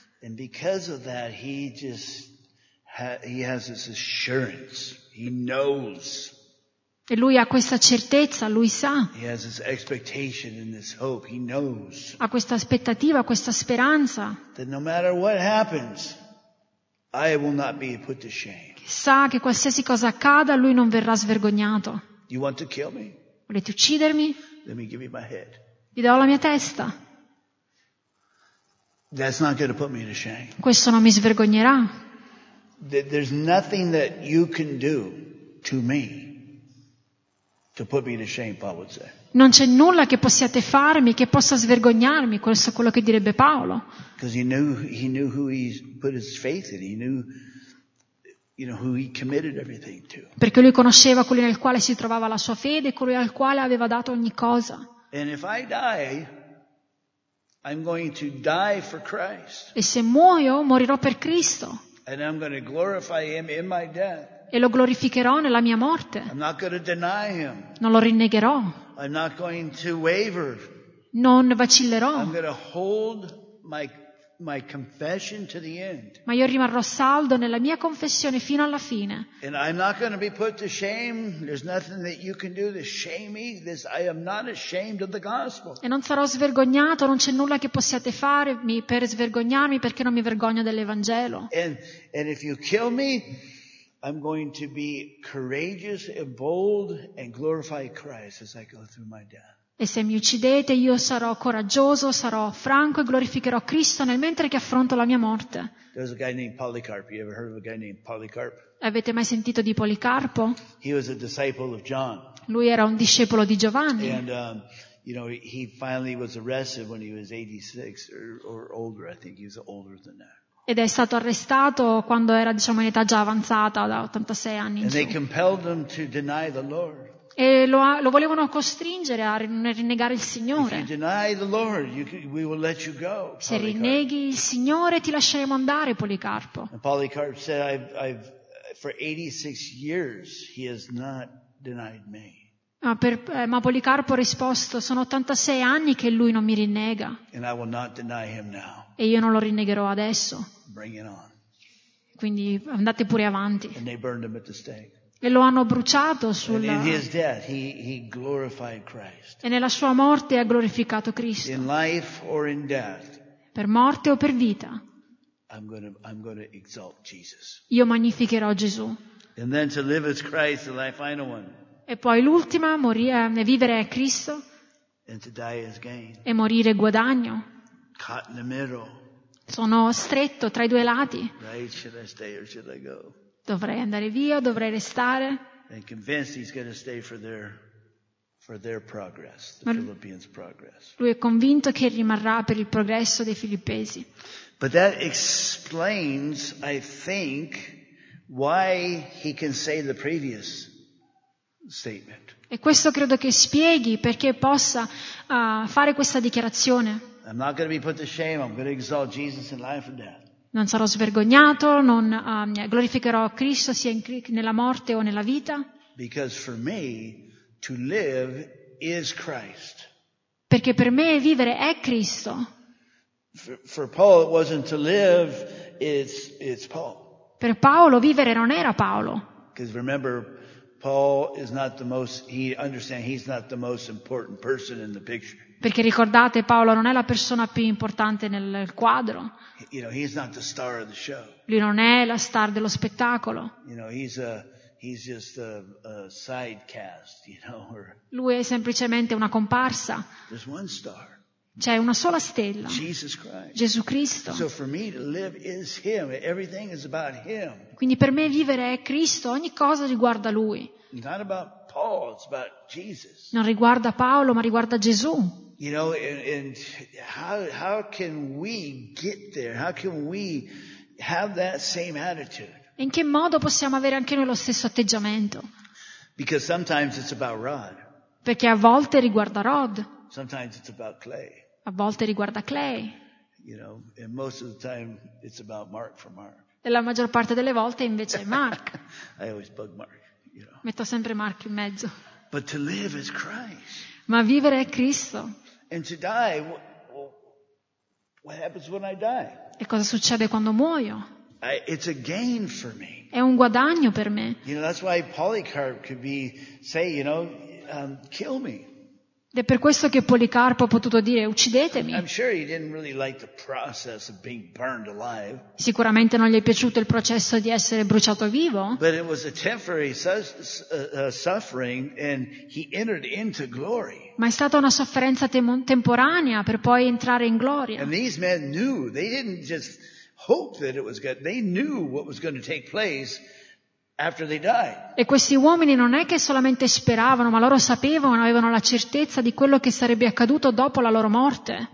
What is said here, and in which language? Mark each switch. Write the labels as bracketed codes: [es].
[en] And because of that, he has this assurance. He knows. [it] E lui ha questa certezza, lui sa. [en] He has this expectation and this hope. He knows. [it] Ha questa aspettativa, questa speranza. [en] That no matter what happens, I will not be put to shame. [it] Sa che qualsiasi cosa accada, lui non verrà svergognato. [en] You want to kill me? [it] Volete uccidermi? [en] Let me give you my head. [it] Vi do la mia testa. [en] That's not going to put me to shame. [it] Questo non mi svergognerà. [en] There's nothing that you can do to me to put me to shame, Paul would say. [it] Non c'è nulla che possiate farmi che possa svergognarmi, questo è quello che direbbe Paolo. [en] Because he knew who he put his faith in. He knew, you know, who he committed everything to. [it] Perché lui conosceva colui nel quale si trovava la sua fede, colui al quale aveva dato ogni cosa. [en] And if I die, I'm going to die for Christ. [it] E se muoio, morirò per Cristo. [en] And I'm going to glorify him in my death. [it] E lo glorificherò nella mia morte. [en] I'm not going to deny him. [it] Non lo rinnegherò. [en] I'm not going to waver. [it] Non vacillerò. [en] I'm going to hold my confession to the end. [it] Ma io rimarrò saldo nella mia confessione fino alla fine. [en] And I'm not going to be put to shame. There's nothing that you can do to shame me. This, I am not ashamed of the gospel. [it] E non sarò svergognato. Non c'è nulla che possiate fare per svergognarmi perché non mi vergogno dell'Evangelo. [en] And if you kill me, I'm going to be courageous and bold and glorify Christ as I go through my death. [it] E se mi uccidete, io sarò coraggioso, sarò franco e glorificherò Cristo nel mentre che affronto la mia morte. [en] There's a guy named Polycarp. You ever heard of a guy named Polycarp? [it] Avete mai sentito di Policarpo? [en] He was a disciple of John. [it] Lui era un discepolo di Giovanni. [en] And you know, he finally was arrested when he was 86 or older. I think he was older than that. [it] Ed è stato arrestato quando era, diciamo, in età già avanzata, da 86 anni in giù. [en] They compelled him to deny the Lord. [it] E lo volevano costringere a rinnegare il Signore. [en] If you deny the Lord, we will let you go, Polycarp. [it] Se rinneghi il Signore, ti lasceremo andare, Policarpo. [en] And Polycarp said, for 86 years, he has not denied me. [it] Ma Policarpo ha risposto: sono 86 anni che lui non mi rinnega. [en] And I will not deny him now. [it] E io non lo rinnegherò adesso. [en] Bring it on. [it] Quindi andate pure avanti. [en] And they burned him at the stake. [it] E lo hanno bruciato sulla... [en] And in his death, he glorified Christ. [it] E nella sua morte ha glorificato Cristo. [en] In life or in death, [it] per morte o per vita. [en] I'm gonna exalt Jesus. [it] Io magnificherò Gesù. [en] And then to live as Christ, the final one. [it] E poi l'ultima, morire e vivere è Cristo. [en] And to die is gain. [it] E morire è guadagno. [en] Caught in the middle. [it] Sono stretto tra i due lati. [en] Right, should I stay or should I go? [it] Dovrei andare via, dovrei restare. [en] And convinced he's gonna stay for their progress, the Philippians' progress. [it] Lui è convinto che rimarrà per il progresso dei filippesi. [en] But that explains, I think, why he can say the previous statement. [it] E questo credo che spieghi perché possa fare questa dichiarazione. [en] I'm not going to be put to shame. I'm going to exalt Jesus in life and death. [it] Non sarò svergognato, non glorificherò Cristo sia nella morte o nella vita. [en] Because for me to live is Christ. [it] Perché per me vivere è Cristo. [en] For Paul it wasn't to live, it's Paul. [it] Per Paolo vivere non era Paolo. [en] Because remember, Paul is not the most, he understands he's not the most important person in the picture. [it] Perché ricordate, Paolo non è la persona più importante nel quadro. [en] You know, he's not the star of the show. [it] Lui non è la star dello spettacolo. [en] You know, he's just a side cast, you know, or... [it] Lui è semplicemente una comparsa. [en] There's one star. [it] C'è una sola stella. [en] Jesus Christ. [it] Gesù Cristo. [en] So for me to live is him. Everything is about him. [it] Quindi per me vivere è Cristo. Ogni cosa riguarda lui. [en] Not about Paul, it's about Jesus. [it] Non riguarda Paolo, ma riguarda Gesù. [en] You know, and how can we get there? How can we have that same attitude? [it] In che modo possiamo avere anche noi lo stesso atteggiamento? [en] Because sometimes it's about Rod. [it] Perché a volte riguarda Rod. [en] Sometimes it's about Clay. [it] A volte riguarda Clay. [en] You know, and most of the time it's about Mark for Mark. [it] E la maggior parte delle volte invece è Mark. [en] I always bug Mark. You know. [it] Metto sempre Mark in mezzo. [en] But to live is Christ. [it] Ma vivere è Cristo. [en] And to die, what happens when I die? [it] E cosa succede quando muoio? [en] It's a gain for me. [it] È un guadagno per me. [en] You know, that's why Polycarp could be say, you know, kill me. [it] Ed è per questo che Policarpo ha potuto dire uccidetemi. [en] I'm sure he didn't really like the process of being burned alive. [it] Sicuramente non gli è piaciuto il processo di essere bruciato vivo. [en] But it was a temporary suffering and he entered into glory. [it] Ma è stata una sofferenza temporanea per poi entrare in gloria. [en] And these men knew, they didn't just hope that it was good, they knew what was going to take place. After they died. [it] E questi uomini non è che solamente speravano, ma loro sapevano, avevano la certezza di quello che sarebbe accaduto dopo la loro morte.